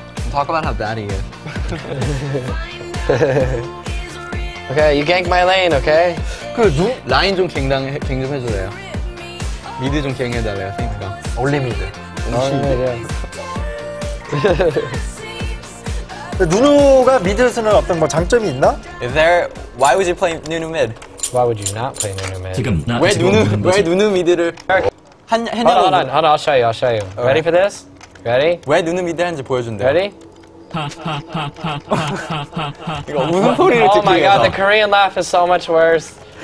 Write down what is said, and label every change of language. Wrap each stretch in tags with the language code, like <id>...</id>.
<en>Talk about how bad he is. Okay, you gank my lane, okay?</en> <ko>그 눈? 라인 좀 갱좀 해줘요. 미드 좀 갱해달래요, 생각. 올리 미드. 올리 미드. 누누가 미드를 쓰는 어떤 뭐 장점이 있나?</ko> <en>Is there why would you play 누누 mid? Why would you not play 누누 mid?</en> <ko>지금 왜 누누 왜 누누 미드를 한 해냐고? 하나 하나</ko> <en>I'll show you, I'll show you. Okay. Ready for this? Ready?</en> <ko>왜 누누 미드 하는지 보여준대.</ko> <en>Ready?</en> <ko>이거 무슨 소리를 듣기 위해서?</ko> <en>Oh my god, the Korean laugh is so much worse.</en>